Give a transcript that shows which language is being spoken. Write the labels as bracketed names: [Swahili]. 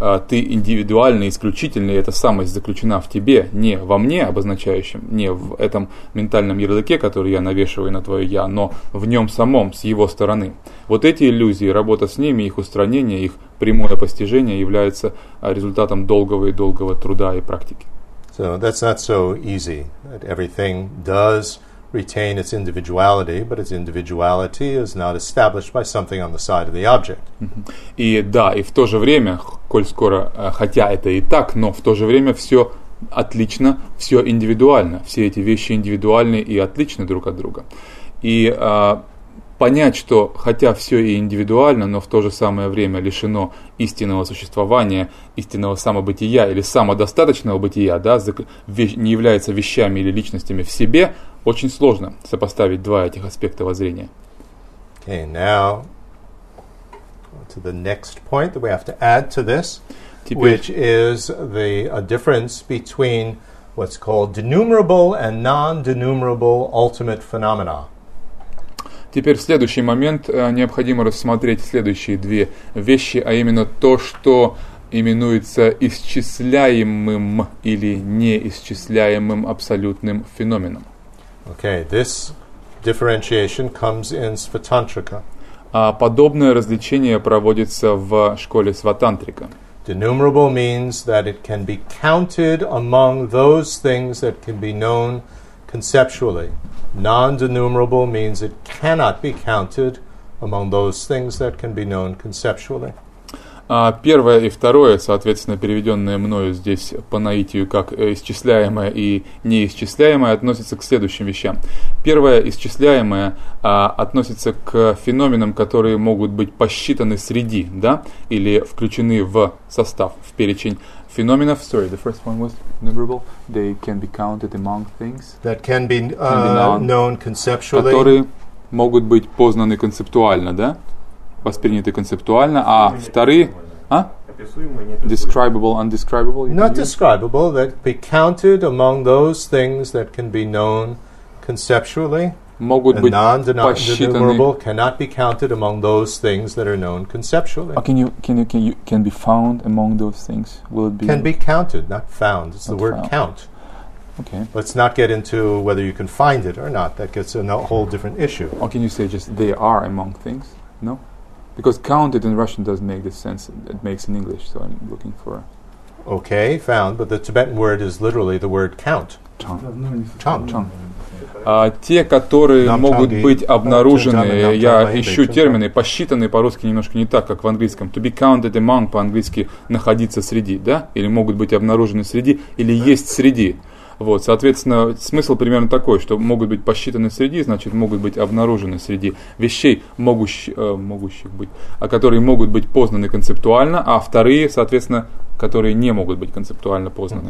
[Russian] ты индивидуальный, исключительный, эта самость заключена в тебе, не во мне обозначающем, не в этом ментальном ярлыке, который я навешиваю на твое «я», но в нем самом, с его стороны. Вот эти иллюзии, работа с ними, их устранение, их прямое постижение является результатом долгого и долгого труда и практики. [English] So that's not so easy. That everything does retain its individuality, but its individuality is not established by something on the side of the object. [Russian] И да, и в то же время, коль скоро, хотя это и так, но в то же время все отлично, все индивидуально. Все эти вещи индивидуальны и отличны друг от друга. И понять, что хотя все и индивидуально, но в то же самое время лишено истинного существования, истинного самобытия или самодостаточного бытия, да, не является вещами или личностями в себе, очень сложно сопоставить два этих аспекта воззрения. [English] Okay, now to the next point that we have to add to this, [Russian] теперь, [English] which is a difference between what's called denumerable and non-denumerable ultimate phenomena. [Russian] Теперь следующий момент, необходимо рассмотреть следующие две вещи, а именно то, что именуется исчисляемым или неисчисляемым абсолютным феноменом. [English] Okay, this differentiation comes in Svatantrika. [Russian] А подобное различение проводится в школе Сватантрика. [English] Denumerable means that it can be counted among those things that can be known conceptually. Non-denumerable means it cannot be counted among those things that can be known conceptually. [Russian] Первое и второе, соответственно, переведенное мною здесь по наитию как исчисляемое и неисчисляемое, относится к следующим вещам. Первое исчисляемое относится к феноменам, которые могут быть посчитаны среди, да, или включены в состав, в перечень феноменов. [English] Sorry, the first one was numerable. They can be counted among things. That can be, known conceptually. [Russian] Которые могут быть познаны концептуально, да? Восприняты концептуально, а вторые, а? [English] Describable, undescribable? Not describable, that be counted among those things that can be known conceptually. [Russian] Могут быть посчитаны. [English] Cannot be counted among those things that are known conceptually. Can be found among those things? Will it be? Can be counted, not found. It's the word count. Okay. Let's not get into whether you can find it or not. That gets a whole different issue. Or can you say just they are among things? No. Because counted in Russian doesn't make the sense it makes in English, so I'm looking for... Okay, found, but the Tibetan word is literally the word count. [Tibetan] Chang. [Russian] Те, которые могут быть обнаружены, я ищу термины, посчитаны по-русски немножко не так, как в английском. [English] To be counted among, [Russian] по-английски, находиться среди, да? Или могут быть обнаружены среди, или есть среди. Вот, соответственно, смысл примерно такой, что могут быть посчитаны среди, значит, могут быть обнаружены среди вещей, могущих быть, которые могут быть познаны концептуально, а вторые, соответственно, которые не могут быть концептуально познаны.